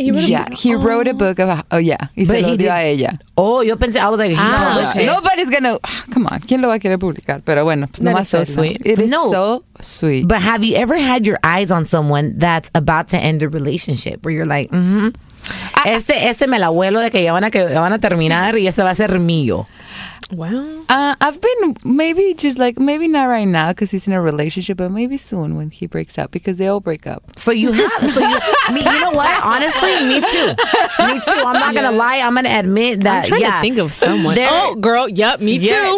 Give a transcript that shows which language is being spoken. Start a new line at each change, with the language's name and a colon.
English: He wrote a book of, oh yeah. He said, he did.
Spanish: Ella.
English: Oh, yo pensé, I was like, he published it.
Spanish: Nobody's going to, come on. ¿Quién lo va a querer publicar? Pero bueno,
English: that is so sweet. So sweet. But have you ever had your eyes on someone that's about to end a relationship where you're like, mm-hmm.
Spanish: Este me la vuelo de que ya van a terminar y ese va a ser mío.
English: Well, I've been maybe just like, maybe not right now because he's in a relationship, but maybe soon when he breaks up, because they all break up. So you have, you know what? Honestly, me too. I'm not going to lie. I'm going to admit that. I'm trying to think of someone. Oh, girl. Yep. Me too.